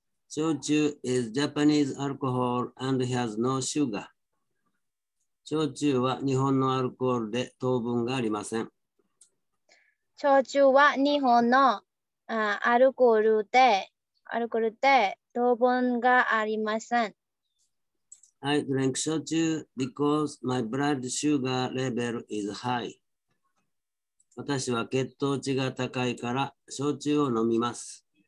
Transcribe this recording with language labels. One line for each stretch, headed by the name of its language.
English: Shochu is Japanese alcohol and has no sugar.
Japanese: 焼酎は日本のアルコールで糖分がありません。焼酎は日本のアルコールで糖分がありません。
English: I drink 焼酎 because my blood sugar level is high.
Japanese: 私は血糖値が高いから焼酎を飲みます。